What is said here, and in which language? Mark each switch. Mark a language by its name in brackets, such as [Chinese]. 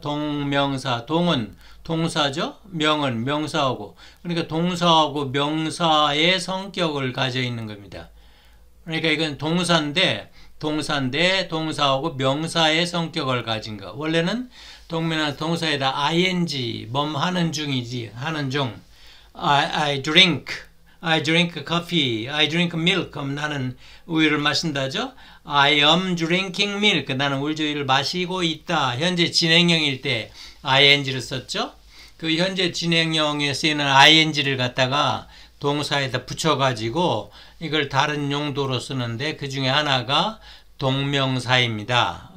[Korean] 동명사 동은 동사죠. 명은 명사하고 그러니까 동사하고 명사의 성격을 가져 있는 겁니다. 그러니까 이건 동사인데 동사하고 명사의 성격을 가진 거. 원래는 동명사 동사에다 ing 뭔 하는 중이지 하는 중. [English] I drink coffee. I drink milk. [Korean] 나는 우유를 마신다죠. [English] I am drinking milk. [Korean] 나는 우유를 마시고 있다. 현재 진행형일 때 ing를 썼죠. 그 현재 진행형에 쓰이는 ing를 갖다가 동사에다 붙여가지고 이걸 다른 용도로 쓰는데 그 중에 하나가 동명사입니다.